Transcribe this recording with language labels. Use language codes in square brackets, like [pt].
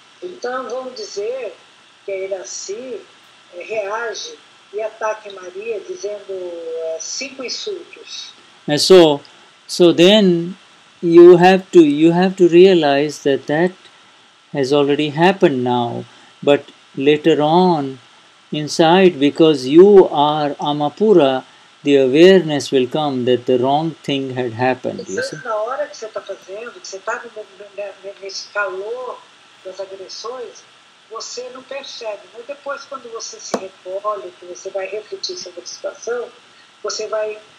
[pt] Então vamos dizer que Irasi reage e ataque Maria dizendo 5 insultos. [en] And so then you have to realize that has already happened now, but later on, inside, because you are Amapura, the awareness will come that the wrong thing had happened. You see? [pt] Na hora que você está fazendo, que você está nesse calor das agressões, você não percebe. Mas depois, quando você se recolhe, que você vai refletir sobre a situação, você vai...